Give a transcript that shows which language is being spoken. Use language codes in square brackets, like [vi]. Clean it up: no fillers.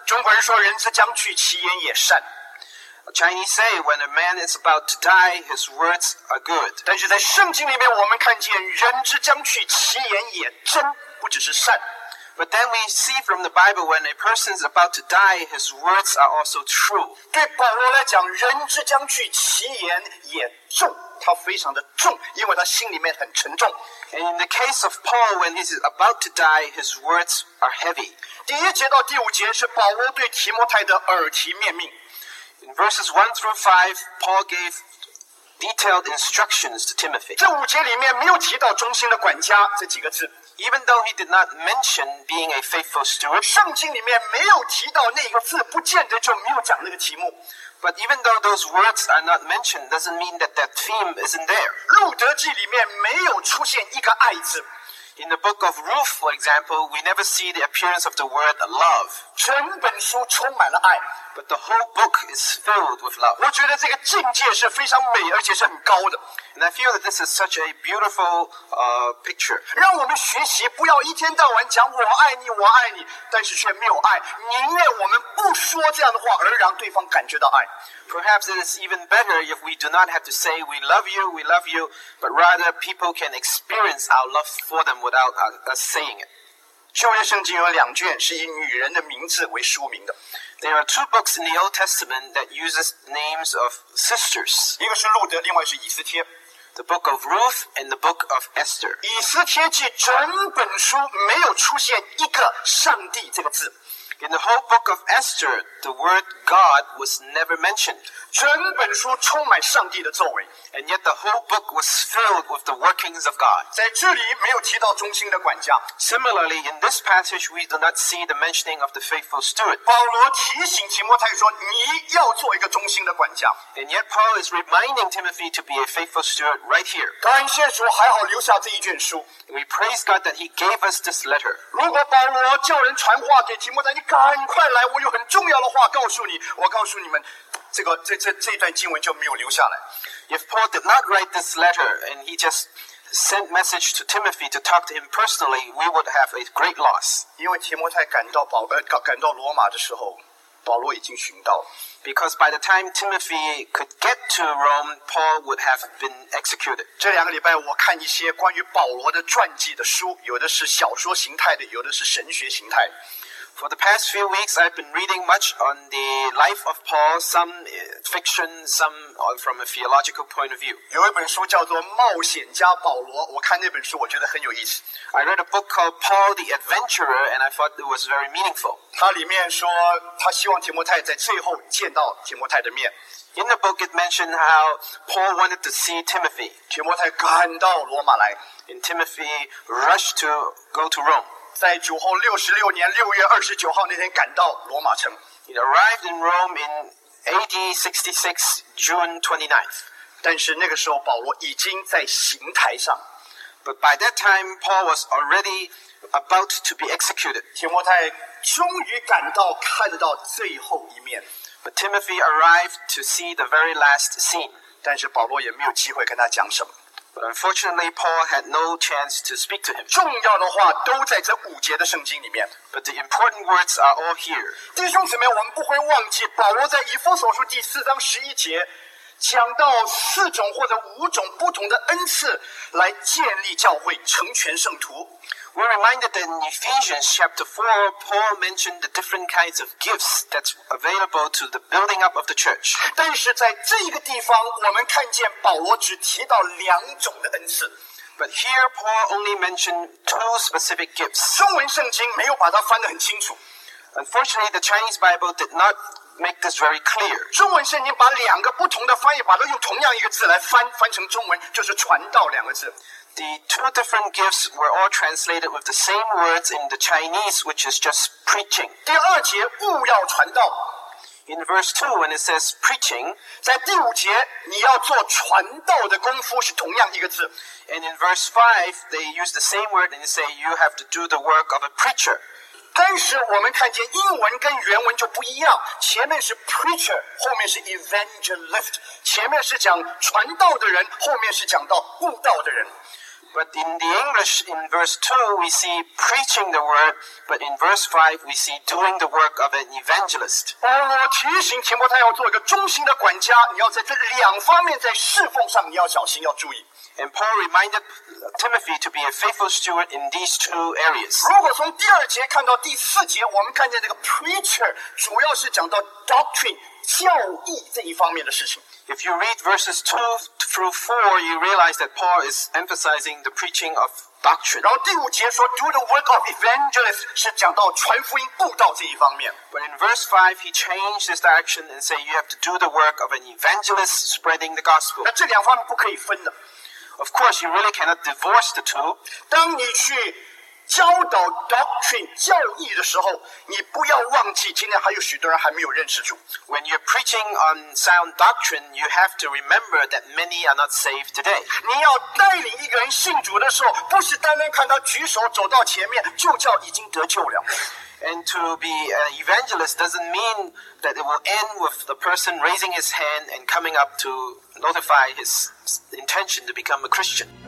[zh] 中国人说人之将去，其言也善。 [en] Chinese say, when a man is about to die, his words are good. [zh] 但是在圣经里面我们看见人之将去，其言也真，不只是善。 [en] But then we see from the Bible, when a person is about to die, his words are also true. [zh] 对保罗来讲，人之将去，其言也重，他非常的重，因为他心里面很沉重。 [en] And in the case of Paul, when he is about to die, his words are heavy. [zh] 第一节到第五节是保罗对提摩太的耳提面命。 [en] In verses 1 through 5, Paul gave detailed instructions to Timothy. [zh] 这五节里面没有提到忠心的管家这几个字。 [en] Even though he did not mention being a faithful steward, [zh] 圣经里面没有提到那个字，不见得就没有讲那个题目。 [en] But even though those words are not mentioned, doesn't mean that that theme isn't there. [zh] 路德记里面没有出现一个爱字。 [en] In the book of Ruth, for example, we never see the appearance of the word love. [zh] 整本书充满了爱。 [en] But the whole book is filled with love. [zh] 我觉得这个境界是非常美，而且是很高的。 [en] And I feel that this is such a beautiful picture. [zh] 让我们学习，不要一天到晚讲我爱你，我爱你，但是却没有爱。宁愿我们不说这样的话，而让对方感觉到爱。 [en] Perhaps it is even better if we do not have to say we love you, but rather people can experience our love for them without us saying it. [zh] 旧约圣经有两卷是以女人的名字为书名的。 [en] There are two books in the Old Testament that uses names of sisters. [zh] 一个是路德，另外是以斯帖。 [en] The book of Ruth and the book of Esther. [zh] 以斯帖记整本书没有出现一个上帝这个字。 [en] In the whole book of Esther, the word God was never mentioned. [zh] 整本书充满上帝的作为。 [en] And yet the whole book was filled with the workings of God. [zh] 在这里没有提到忠心的管家。 [en] Similarly, in this passage, we do not see the mentioning of the faithful steward. [zh] 保罗提醒提摩太说，你要做一个忠心的管家。 [en] And yet Paul is reminding Timothy to be a faithful steward right here. [zh] 感谢主，还好留下这一卷书。 [en] We praise God that he gave us this letter. [zh] 如果保罗叫人传话给提摩太，赶快来，我有很重要的话告诉你，我告诉你们，这段经文就没有留下来。 [en] If Paul did not write this letter and he just sent message to Timothy to talk to him personally, we would have a great loss. [zh] 因为提摩太赶到罗马的时候，保罗已经寻到。 [en] Because by the time Timothy could get to Rome, Paul would have been executed. [zh] 这两个礼拜我看一些关于保罗的传记的书，有的是小说形态的，有的是神学形态。 [en] For the past few weeks, I've been reading much on the life of Paul, some fiction, some from a theological point of view. [zh] 有一本书叫做《冒险家保罗》，我看那本书我觉得很有意思。 [en] I read a book called Paul the Adventurer, and I thought it was very meaningful. [zh] 它里面说他希望提摩太在最后见到提摩太的面。 [en] In the book, it mentioned how Paul wanted to see Timothy. [zh] 提摩太赶到罗马来。 [en] And Timothy rushed to go to Rome. [zh] 在主后66年6月29号那天赶到罗马城。 [en] He arrived in Rome in A.D. 66 June 29th. [zh] 但是那个时候保罗已经在刑台上。 [en] But by that time, Paul was already about to be executed. [zh] 提摩太终于赶到，看到最后一面。 [en] But Timothy arrived to see the very last scene. [zh] 但是保罗也没有机会跟他讲什么。 [en] But unfortunately, Paul had no chance to speak to him. [zh] 重要的话都在这五节的圣经里面。 [en] But the important words are all here. [zh] 弟兄姊妹，我们不会忘记保罗在以弗所书第4章11节讲到四种或者五种不同的恩赐来建立教会，成全圣徒。 [en] We're reminded that in Ephesians chapter 4, Paul mentioned the different kinds of gifts that's available to the building up of the church. [zh] 但是在这个地方，我们看见保罗只提到两种的恩赐。 [en] But here Paul only mentioned two specific gifts. [zh] 中文圣经没有把它翻得很清楚。 [en] Unfortunately, the Chinese Bible did not make this very clear. [zh] 中文圣经把两个不同的翻译，把它用同样一个字来翻成中文，就是传道两个字。 [en] The two different gifts were all translated with the same words in the Chinese, which is just preaching. [zh] 第二节务要传道。 [en] In verse 2, when it says preaching, [zh] 在第五节你要做传道的功夫是同样一个字。 [en] And in verse 5, they use the same word and say you have to do the work of a preacher. [zh] 但是我们看见英文跟原文就不一样，前面是 preacher, 后面是 evangelist, 前面是讲传道的人，后面是讲到务道的人。 [en] But in the English, in verse 2, we see preaching the word, but in verse 5, we see doing the work of an evangelist. [zh] 我提醒提摩太要做一个忠心的管家，你要在这两方面在侍奉上你要小心要注意。 [en] And Paul reminded Timothy to be a faithful steward in these two areas. [zh] 如果从第二节看到第四节，我们看见这个 preacher 主要是讲到 doctrine 教义这一方面的事情。 [en] If you read verses 2 through 4, you realize that Paul is emphasizing the preaching of doctrine. [zh] 然后第五节说 [en] do the work of evangelists [zh] 是讲到传福音布道这一方面。 [en] But in verse 5, he changed his direction and said you have to do the work of an evangelist spreading the gospel. [zh] 那这两方面不可以分的。 [en] Of course, you really cannot divorce the two. [zh] 当你去教导 doctrine 教义的时候，你不要忘记，今天还有许多人还没有认识主。 [en] When you're preaching on sound doctrine, you have to remember that many are not saved today. [zh] 你要带领一个人信主的时候，不是单单看他举手走到前面就叫已经得救了。 [en] And to be an evangelist doesn't mean that it will end with the person raising his hand and coming up to notify his intention to become a Christian.